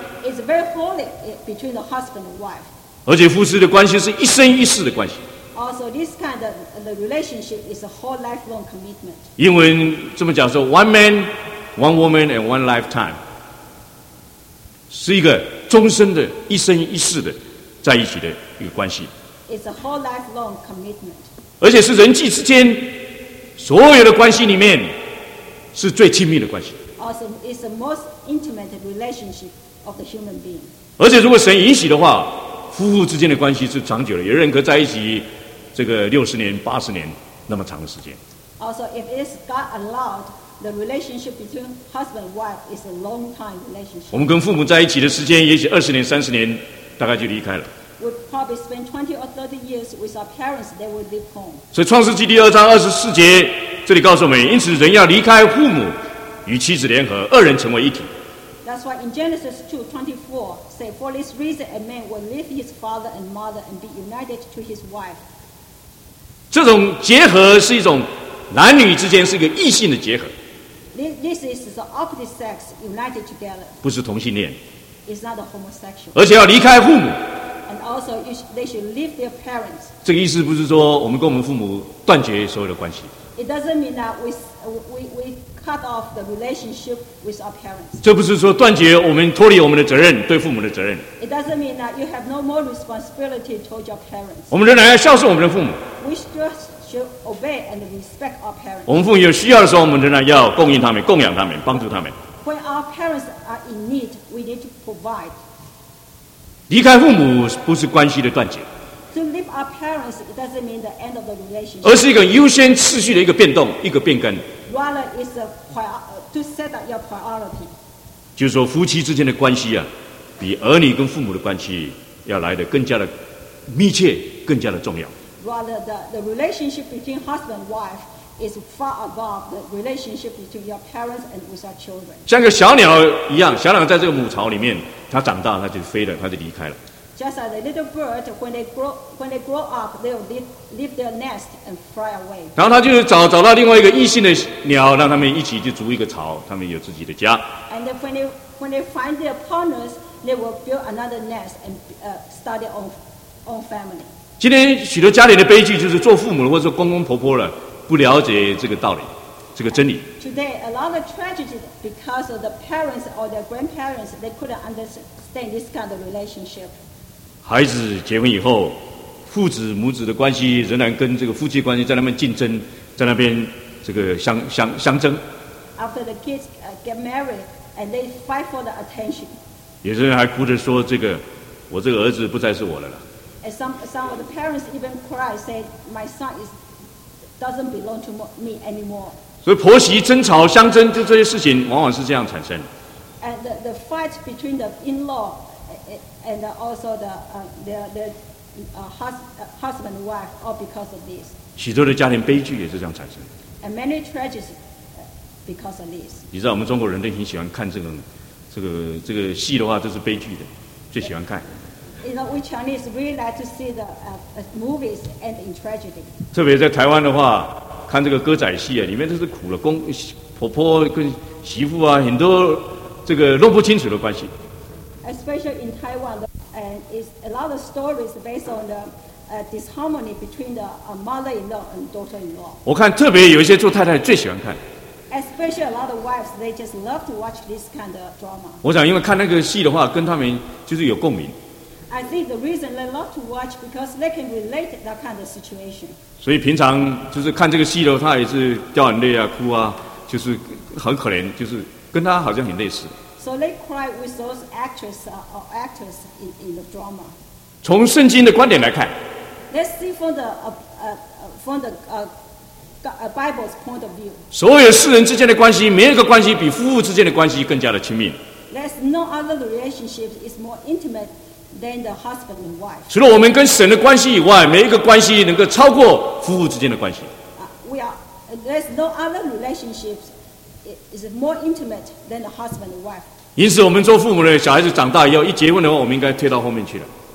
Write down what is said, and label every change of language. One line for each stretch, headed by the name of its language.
English: It's very holy between the husband and wife.
Chinese: 而且夫妻的关系是一生一世的关系。
English: Also, this kind of the relationship is a whole lifelong commitment.
Chinese: 英文这么讲说 ，
English: one man, one woman, and one lifetime，
Chinese: 是一个终身的、一生一世的在一起的一个关系。
English: It's a whole lifelong commitment.
Chinese: 而且是人际之间所有的关系里面是最亲密的关系。
English: Also, it's the most intimate relationship of the human being.
Chinese: 而且如果神允许的话，夫妇之间的关系是长久的，有人可在一起这个六十年、八十年那么长的时间。
English: Also, if it's God allowed, the relationship between husband and wife is a long time relationship.
Chinese: 我们跟父母在一起的时间，也许二十年、三十年，大概就离开了。
English: We probably spend 20 or 30 years with our parents, they will leave home.
Chinese: 所以创世纪第二章二十四节这里告诉我们，因此人要离开父母，与妻子联合，二人成为一体。
English: That's why That's why in Genesis 2:24 say, for this reason a man will leave his father and mother and be united to his wife.
Chinese: 这种结合是一种男女之间是一个异性的结合。
English: This is the opposite sex united together.
Chinese: 不是同性恋。
English: It's not a homosexual.
Chinese: 而且要离开父母。
English: And also, they should leave their parents.
Chinese: 这个意思不是说我们跟我们父母断绝所有的关系。
English: It doesn't mean that we cut off the relationship with our parents.
Chinese: 这不是说断绝我们脱离我们的责任，对父母的责任。
English: It doesn't mean that you have no more responsibility towards your parents.
Chinese: 我们仍然要孝顺我们的父母。
English: We should obey and respect our parents.
Chinese: 我们父母有需要的时候，我们仍然要供应他们、供养他们、帮助他们。
English: When our parents are in need, we need to provide.
Chinese: 离开父母不是关系的断绝。
English: To leave our parents, it doesn't mean the end of the relationship.
Chinese: 而是一个优先次序的一个变动，一个变更。
English: Rather, it's a to set up your priority.
Chinese: 就是说，夫妻之间的关系啊，比儿女跟父母的关系要来的更加的密切，更加的重要。
English: Rather, the relationship between husband and wife is far above the relationship between your parents and with your children.
Chinese: 像个小鸟一样，小鸟在这个母巢里面，它长大，它就飞了，它就离开了。
English: Just as a little bird, when they grow up, they'll leave their nest and fly away.
Chinese: 然后他就找到另外一个异性的鸟，让他们一起去筑一个巢，他们有自己的家。
English: And then when they find their partners, they will build another nest and start their own family.
Chinese: 今天许多家里的悲剧就是做父母或者公公婆婆了，不了解这个道理，这个真理。
English: Today, a lot of tragedy because of the parents or their grandparents, they couldn't understand this kind of relationship.
Chinese: 孩子结婚以后，父子母子的关系仍然跟这个夫妻关系在那边竞争，在那边这个相争。
English: After the kids get married and they fight for the attention.
Chinese: 有些人还哭着说：“这个我这个儿子不再是我的了。
English: ”And some of the parents even cry, say, "My son doesn't belong to me anymore."
Chinese: 所以婆媳争吵相争，就这些事情往往是这样产生。
English: And the fight between the in-law. And also the husband and wife, all because of this.
Chinese: 许多的家庭悲剧也是这样产生。
English: And many tragedies because of this.
Chinese: 你知道我们中国人都挺喜欢看这个戏的话，都是悲剧的，最喜欢看。
English: You know, we Chinese really like to see the movies end in tragedy.
Chinese: 特别在台湾的话，看这个歌仔戏啊，里面都是苦了，公婆婆跟媳妇啊，很多这个弄不清楚的关系。
English: Especially in Taiwan, and it's a lot of stories based on the disharmony between the mother-in-law and daughter-in-law.
Chinese: 我看特别有一些做太太最喜欢看。
English: Especially a lot of wives, they just love to watch this kind of drama.
Chinese: 我想因为看那个戏的话，跟他们就是有共鸣。
English: I think the reason they love to watch because they can relate that kind of situation.
Chinese: 所以平常就是看这个戏的话，他也是掉眼泪啊、哭啊，就是很可怜，就是跟他好像很类似。
English: So they cry with those actresses or actors in the drama.
Chinese: 从圣经的观点来看
English: ，Let's see from the Bible's point of view.
Chinese: 所有世人之间的关系，没有一个关系比夫妇之间的关系更加的亲密。
English: There's no other relationship is more intimate than the husband and wife.
Chinese: 除了我们跟神的关系以外，没一个关系能够超过夫妇之间的关系。
English: There's no other relationships. Is more intimate than the husband and wife.
Chinese: 因此，我们做父母的小孩子长大以后，一结婚的话，我们应该推到后面去了。